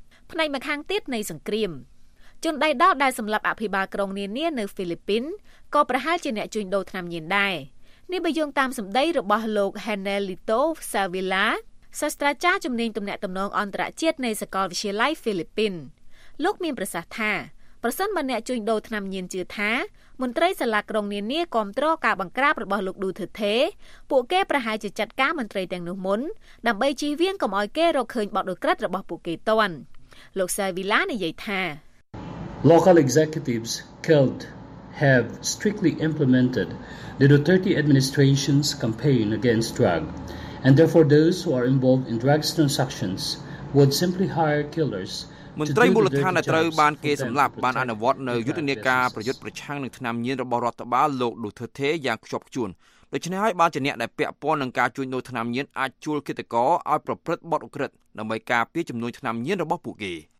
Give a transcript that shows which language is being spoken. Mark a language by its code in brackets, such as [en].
[km] ផ្នែកម្ខាងទៀតនៃសង្គ្រាមជនដៃដល់ដែលសម្លាប់អភិបាលក្រុងនានានៅហ្វីលីពីនក៏ប្រហែលជាអ្នកជួញដូរថ្នាំញៀនដែរនេះបើយោងតាមសម្ដីរបស់លោក Henelito Savilaសាស្ត្រាចារ្យជំនាញទំនាក់ទំនងអន្តរជាតិនៃសាកលវិទ្យាល័យហ្វីលីពីនលោកមានប្រសាសន៍ថា ប្រសិនបើអ្នកជួញដូរថ្នាំញៀនជឿថាមន្ត្រីសាលាក្រុងនានាគ្រប់គ្រងការបង្ក្រាបរបស់លោកឌូធឺតេពួកគេប្រហែលជាចាត់ការមន្ត្រីទាំងនោះមុនដើម្បីជៀសវាងកុំឲ្យគេរកឃើញបទឧក្រិដ្ឋរបស់ពួកគេទាន់លោកសាវីឡានិយាយថា [en] Local executives killed have strictly implemented the Duterte administration's campaign against drug and therefore those who are involved in drug transactions would simply hire killers [km] មន្ត្រីមូលដ្ឋានដែលត្រូវបានគេសម្លាប់បានអនុវត្តនៅយុទ្ធនាការប្រយុទ្ធប្រឆាំងនឹងថ្នាំញៀនរបស់រដ្ឋបាលលោកឌូធឺតេយ៉ាងខ្ជាប់ខ្ជួនដូច្នេះហើយបានជាអ្នកដែលពាក់ព័ន្ធនឹងការជួញដូរថ្នាំញៀនអាចជួលគិតករឲ្យប្រព្រឹត្តបទឧក្រិដ្ឋដើម្បីការពារចំនួនថ្នាំញៀនរបស់ពួកគេ